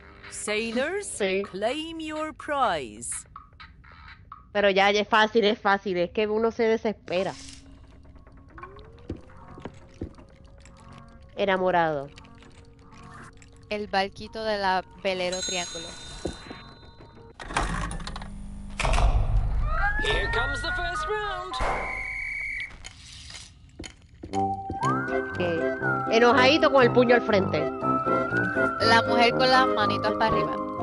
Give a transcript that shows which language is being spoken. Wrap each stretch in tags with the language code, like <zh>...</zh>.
<en>Sailors, sí. Claim your prize.</en> <es>Pero ya es fácil, es fácil. Es que uno se desespera. Enamorado. El barquito de la velero triángulo.</es> <en>Here comes the first round. Okay.</en> <es>Enojadito con el puño al frente. La mujer con las manitos para arriba.</es>